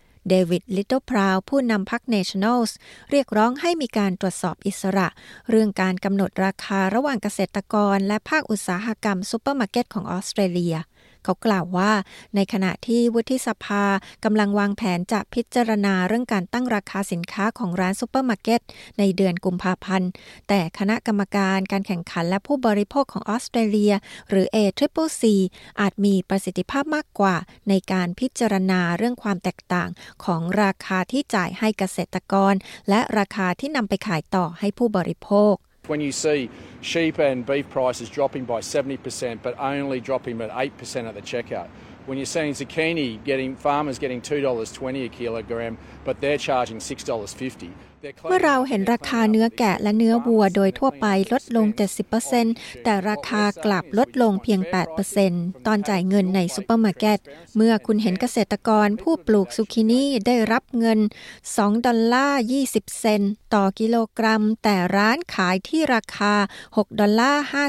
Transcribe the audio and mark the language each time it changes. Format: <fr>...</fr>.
<th>เดวิดลิตเติ้ลพราวผู้นำพรรค Nationals เรียกร้องให้มีการตรวจสอบอิสระเรื่องการกำหนดราคาระหว่างเกษตรกรและภาคอุตสาหกรรมซูเปอร์มาร์เก็ตของออสเตรเลียเขากล่าวว่าในขณะที่วุฒิสภากำลังวางแผนจะพิจารณาเรื่องการตั้งราคาสินค้าของร้านซูเปอร์มาร์เก็ตในเดือนกุมภาพันธ์แต่คณะกรรมการการแข่งขันและผู้บริโภคของออสเตรเลียหรือ ACCC อาจมีประสิทธิภาพมากกว่าในการพิจารณาเรื่องความแตกต่างของราคาที่จ่ายให้เกษตรกรและราคาที่นำไปขายต่อให้ผู้บริโภค</th> <en>When you see sheep and beef prices dropping by 70%, but only dropping at 8% at the checkout. When you're seeing zucchini getting, farmers getting $2.20 a kilogram, but they're charging $6.50.</en> <th>เมื่อเราเห็นราคาเนื้อแกะและเนื้อวัวโดยทั่วไปลดลง 70% แต่ราคากลับลดลงเพียง 8% ตอนจ่ายเงินในซูเปอร์มาร์เก็ตเมื่อคุณเห็นเกษตรกรผู้ปลูกซูคินี่ได้รับเงิน2.20 ดอลลาร์ต่อกิโลกรัมแต่ร้านขายที่ราคา6.50 ดอลลาร์</th>